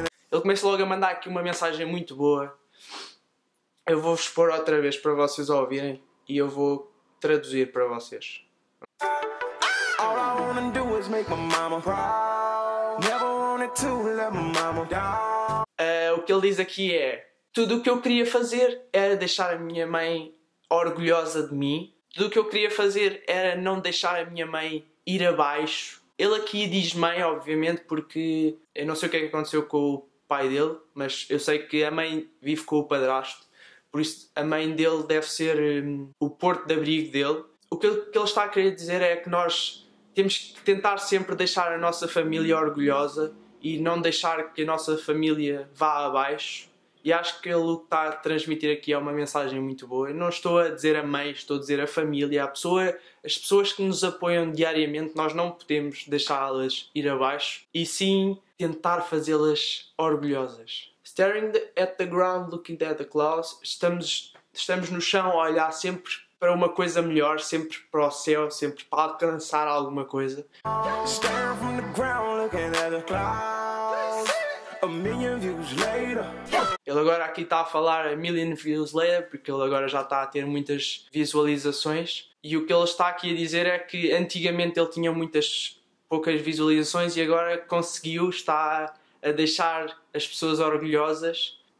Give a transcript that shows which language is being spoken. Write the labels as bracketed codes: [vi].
[pt] Ele começa logo a mandar aqui uma mensagem muito boa. Eu vou-vos pôr outra vez para vocês ouvirem e eu vou traduzir para vocês. [en] All I wanna do is make my mama proud. Never wanted to let my mama down. [pt] O que ele diz aqui é: tudo o que eu queria fazer era deixar a minha mãe orgulhosa de mim. Tudo o que eu queria fazer era não deixar a minha mãe ir abaixo. Ele aqui diz mãe, obviamente, porque eu não sei o que é que aconteceu com o pai dele, mas eu sei que a mãe vive com o padrasto, por isso a mãe dele deve ser o porto de abrigo dele. O que ele está a querer dizer é que nós temos que tentar sempre deixar a nossa família orgulhosa e não deixar que a nossa família vá abaixo. E acho que ele, o que está a transmitir aqui, é uma mensagem muito boa. Eu não estou a dizer a mãe, estou a dizer a família, as pessoas que nos apoiam diariamente. Nós não podemos deixá-las ir abaixo, e sim tentar fazê-las orgulhosas. [en] Staring at the ground, looking at the clouds. [pt] Estamos no chão a olhar sempre para uma coisa melhor, sempre para o céu, sempre para alcançar alguma coisa. [en] Staring from the ground, looking at the clouds. A million views later. [pt] Ele agora aqui está a falar [en] a million views later, [pt] porque ele agora já está a ter muitas visualizações. E o que ele está aqui a dizer é que antigamente ele tinha muitas poucas visualizações e agora conseguiu, está a deixar as pessoas orgulhosas.